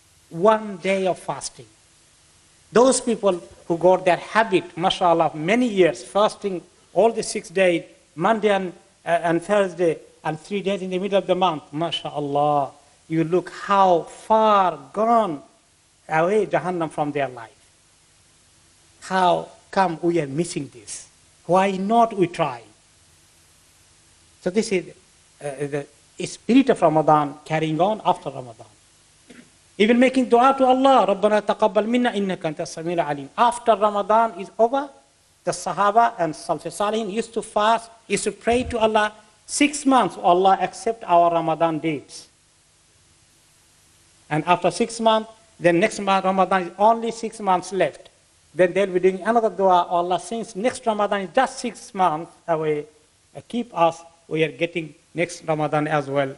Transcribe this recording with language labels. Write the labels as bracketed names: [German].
[English] One day of fasting. Those people who got their habit, mashallah, many years fasting all the 6 days, Monday and Thursday, and 3 days in the middle of the month, mashallah, you look how far gone away Jahannam from their life. How come we are missing this? Why not we try? So this is the spirit of Ramadan carrying on after Ramadan. [Arabic] Even making dua to Allah, رَبَّنَا تَقَبَّلْ مِنَّا إِنَّكَ أَنْتَ السَّمِيعُ الْعَلِيمُ. [English] After Ramadan is over, the Sahaba and Salafus Salihin used to fast, used to pray to Allah, 6 months, Allah accept our Ramadan deeds. And after 6 months, then next month, Ramadan is only 6 months left. Then they'll be doing another dua, Allah, since next Ramadan is just 6 months away, keep us, we are getting next Ramadan as well.